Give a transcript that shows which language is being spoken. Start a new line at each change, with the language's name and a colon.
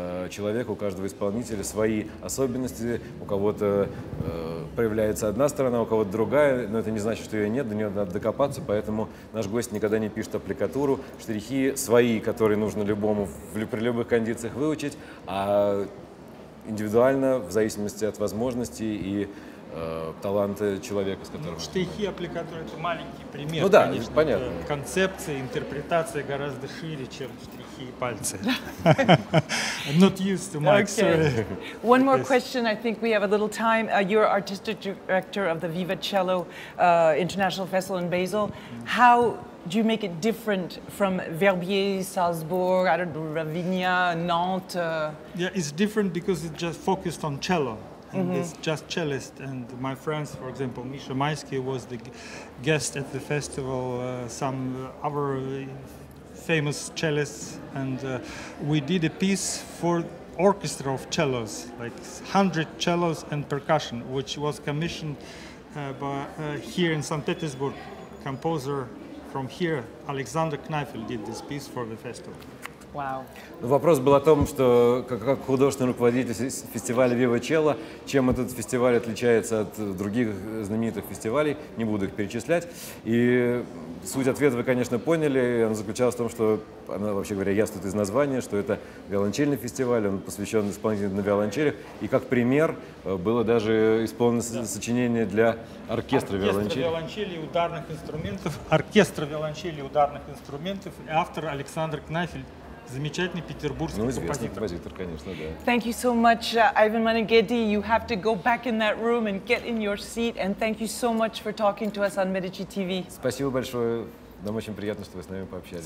Russian: человека, у каждого исполнителя свои особенности, у кого-то проявляется одна сторона, у кого-то другая, но это не значит, что ее нет, до нее надо докопаться, поэтому наш гость никогда не пишет аппликатуру, штрихи свои, которые нужно любому при любых кондициях выучить, а индивидуально, в зависимости от возможностей и таланты человека, с которым... Ну, штрихи, аппликатуры — это маленький пример. Ну да, конечно, понятно. Концепция, интерпретация гораздо шире, чем штрихи и пальцы.
English: Not used to mic, sorry. One more question, I think we have a little time. You're artistic director of the Viva Cello International Festival in Basel. How do you make it different from Verbier, Salzburg, I don't know, Ravinia, Nantes? Yeah, it's different because it's just focused on cello. And it's just cellist, and my friends, for example, Misha Maisky was the guest at the festival, some other famous cellists, and we did a piece for orchestra of cellos, like 100 cellos and percussion, which was commissioned by here in St. Petersburg, composer from here, Alexander Kneifel, did this piece for the festival. Wow.
Russian: Вопрос был о том, что как художественный руководитель фестиваля Viva Cello, чем этот фестиваль отличается от других знаменитых фестивалей, не буду их перечислять. И суть ответа вы, конечно, поняли. Она заключалась в том, что она, вообще говоря, ясно из названия, что это виолончельный фестиваль, он посвящен исполнителям на виолончелях. И как пример было даже исполнено сочинение для оркестра виолончели. Оркестра виолончели и ударных инструментов. Оркестра виолончели и ударных инструментов. И автор Александр Кнафель. Замечательный петербургский композитор, конечно, да.
English: Thank you so much, Ivan Meneghetti. You have to go back in that room and get in your seat. And thank you so much for talking to us on Medici TV.
Russian: Спасибо большое. Нам очень приятно, что вы с нами пообщались.